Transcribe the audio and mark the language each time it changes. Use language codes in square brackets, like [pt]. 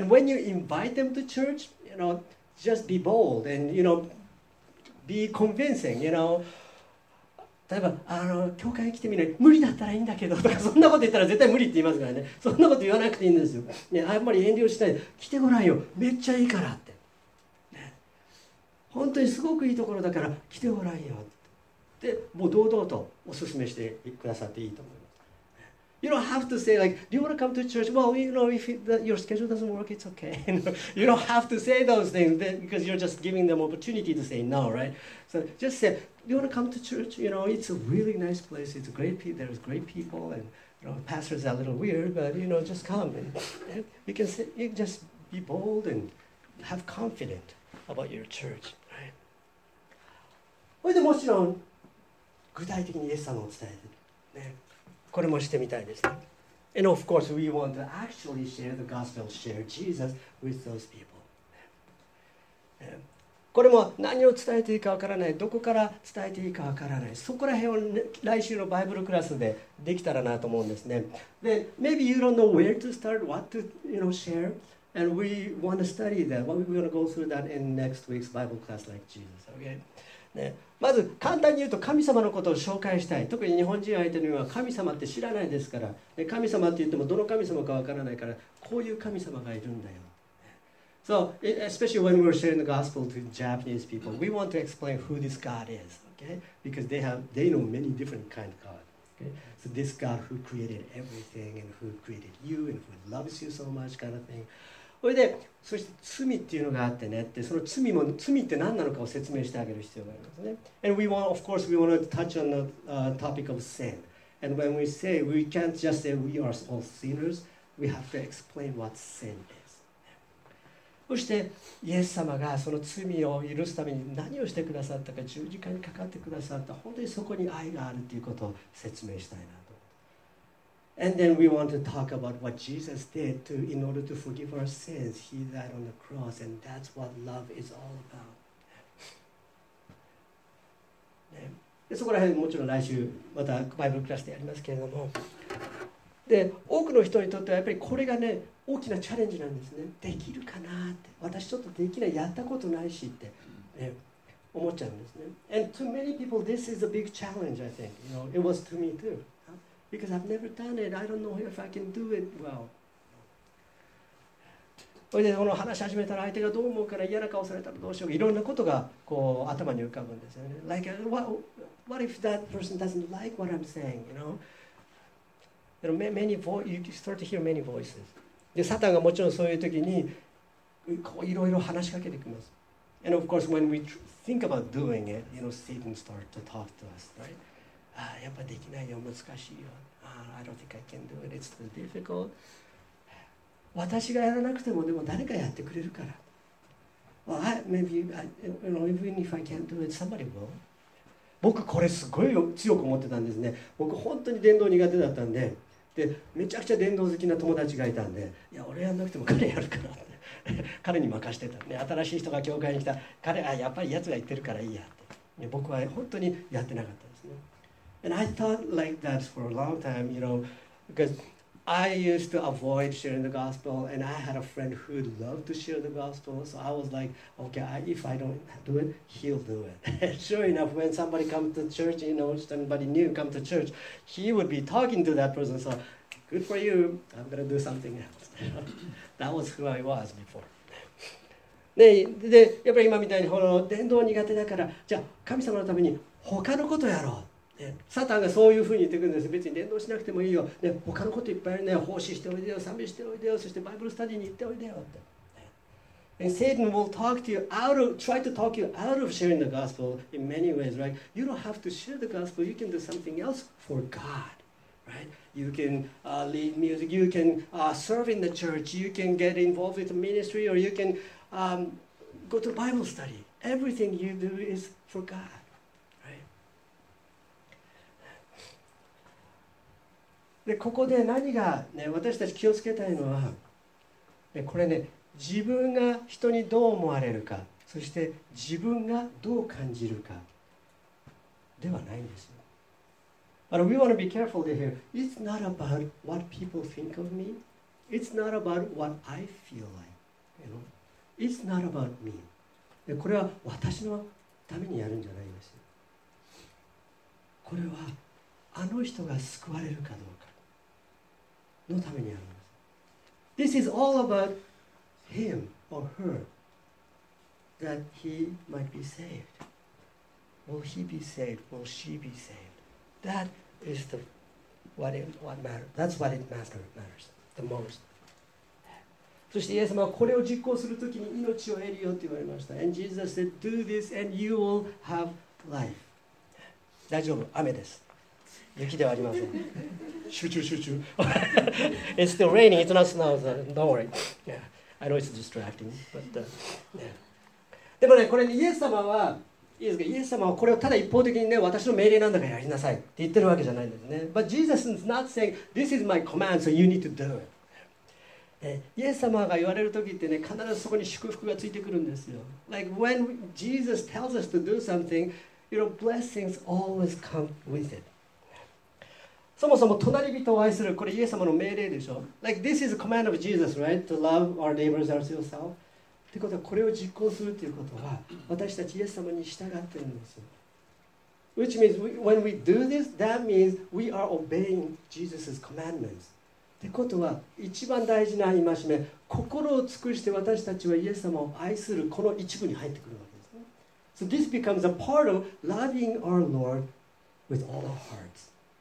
[en] And when you invite them to church, you know, just be bold and, you know, be convincing, you know. [ja] 例えば、教会来てみない、無理だったらいいんだけどとか、そんなこと言ったら絶対無理って言いますからね。そんなこと言わなくていいんですよ。ね、あんまり遠慮しないで、来てごらんよ、めっちゃいいからって。ね、本当にすごくいいところだから、来てごらんよって。でもう堂々とお勧めしてくださっていいと思います。 [en] You don't have to say like, do you want to come to church? Well, you know, if your schedule doesn't work, it's okay. You don't have to say those things because you're just giving them opportunity to say no, right? So just say, do you want to come to church? You know, it's a really nice place. It's great. There's great people, and you know, pastors are a little weird, but you know, just come. And you can say, you can just be bold and have confident about your church, right? [ja] それでもちろん具体的にイエス様を伝える。ね、これもしてみたいですね。 [en] And of course, we want to actually share the gospel, share Jesus with those people. [ja] これも何を伝えていいかわからない、どこから伝えていいかわからない。そこら辺を、ね、来週のバイブルクラスでできたらなと思うんですね。 [en] で、maybe you don't know where to start, what to you know, share, and we want to study that. What we're going to go through that in next week's Bible class like Jesus, okay? [ja] ね、まず簡単に言うと神様のことを紹介したい。特に日本人相手には神様って知らないですから、ね、神様って言ってもどの神様かわからないから、こういう神様がいるんだよ。 [en] So especially when we're sharing the gospel to Japanese people, we want to explain who this God is, okay? Because they know many different kind of God, okay? So this God who created everything and who created you and who loves you so much kind of thing. [ja] それで、そして罪っていうのがあってねって、その罪も、罪って何なのかを説明してあげる必要がありますね。 [en] And we want, of course, we want to touch on the、topic of sin. And when we say, we can't just say we are all sinners, we have to explain what sin is. [ja] そして、イエス様がその罪を許すために何をしてくださったか、十字架にかかってくださった、本当にそこに愛があるということを説明したいなと。 [en] And then we want to talk about what Jesus did to, in order to forgive our sins. He died on the cross, and that's what love is all about. [ja] そこら辺もちろん来週またバイブルクラスでやりますけれども、で、多くの人にとってはやっぱりこれがね、大きなチャレンジなんですね。できるかなって、私ちょっとできない、やったことないしって、ね、思っちゃうんですね。 [en] And to many people, this is a big challenge, I think. You know, it was to me too. Because I've never done it, I don't know if I can do it well. [ja] それでこの話し始めたら相手がどう思うから嫌な顔されたらどうしようか、いろんなことがこう頭に浮かぶんですよね。 [en] Like, what if that person doesn't like what I'm saying? You know, many voices, you start to hear many voices. [ja] で、サタンがもちろんそういう時にこういろいろ話しかけてきます。 [en] And of course, when we think about doing it, you know, Satan starts to talk to us, right? [ja] やっぱできないよ、難しいよ、 [en] I don't think I can do it, it's too difficult. [ja] 私がやらなくてもでも誰かやってくれるから、 [en] Well, maybe even if I can't do it, somebody will. [ja] 僕これすごい強く思ってたんですね。僕本当に伝道苦手だったんで、でめちゃくちゃ伝道好きな友達がいたんで、いや俺やらなくても彼やるからって彼に任せてたね。新しい人が教会に来た、彼がやっぱりやつが言ってるからいいやって、ね、僕は本当にやってなかったですね。 [en] And I thought like that for a long time, you know, because I used to avoid sharing the gospel, and I had a friend who loved to share the gospel, so I was like, okay, if I don't do it, he'll do it. Sure enough, when somebody comes to church, you know, somebody new comes to church, he would be talking to that person, so good for you, I'm going to do something else. That was who I was before. [ja] ね、でやっぱり今みたいにこの伝道苦手だから、じゃあ神様のために他のことやろう。サタンがそういうふうに言ってくるんです。別に伝道しなくてもいいよ、ね、他のこといっぱいあるね、奉仕しておいでよ、賛美しておいでよ、そしてバイブルスタディに行っておいでよって。 [en] And Satan will talk to you out of, try to talk you out of sharing the gospel in many ways, right? You don't have to share the gospel, you can do something else for God, right? You can lead music, you can serve in the church, you can get involved with the ministry, or you can go to Bible study. Everything you do is for God. [ja] でここで何が、ね、私たち気をつけたいのは、ね、これね、自分が人にどう思われるか、そして自分がどう感じるかではないんですよ。 [en] But we want to be careful here. It's not about what people think of me. It's not about what I feel like. You know? It's not about me. [ja] でこれは私のためにやるんじゃないんですよ。これはあの人が救われるかどうかのためにあるんです。 [en] This is all about him or her that he might be saved. Will he be saved? Will she be saved? That is the what matters. That's what it matters the most. [ja] そしてイエス様はこれを実行するときに命を得るよって言われました。 [en] And Jesus said, "Do this, and you will have life." [ja] 大丈夫、雨です。雪ではありません。集中集中。 [en] It's still raining. It's not snow. Don't worry. Yeah, I know it's distracting. But, yeah. [ja] でもね、これ、イエス様はいいですか、イエス様はこれをただ一方的にね、私の命令なんだからやりなさいって言ってるわけじゃないんですね。 [en] But Jesus is not saying, this is my command, so you need to do it. [ja] イエス様が言われる時ってね、必ずそこに祝福がついてくるんですよ。 [en] Like when Jesus tells us to do something, you know, blessings always come with it. [ja] そもそも隣人を愛する、これイエス様の命令でしょ。 [en] Like this is a command of Jesus, right? To love our neighbors as yourself. [ja] ってことは、これを実行するということは、私たちイエス様に従っているんです。 [en] Which means, when we do this, that means we are obeying Jesus' commandments. [ja] ってことは、一番大事な戒め、心を尽くして私たちはイエス様を愛する、この一部に入ってくるわけですね。 [en] So this becomes a part of loving our Lord with all our hearts.